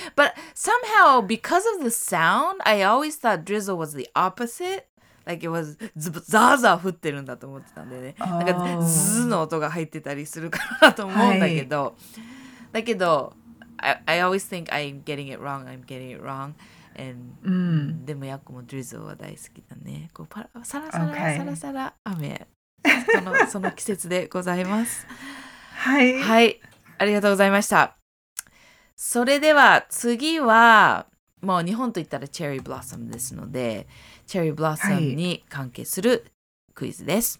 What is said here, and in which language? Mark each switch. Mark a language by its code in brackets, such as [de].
[en] But somehow, because of the sound, I always thought drizzle was the opposite. [ja] Like it was ザーザー降ってるんだと思ってたんでね。Oh. なんかズーの音が入ってたりするかなと思うんだけど。はい、だけど、 [en] I always think I'm getting it wrong. And, mm. [ja] でもヤコもドリズルは大好きだね。こうパラサラサラ、okay. サラサラ雨その季節でございます。はい。はい。ありがとうございました。それでは次はもう日本といったらチェリーブロッサムですのでチェリーブロッサムに関係するクイズです。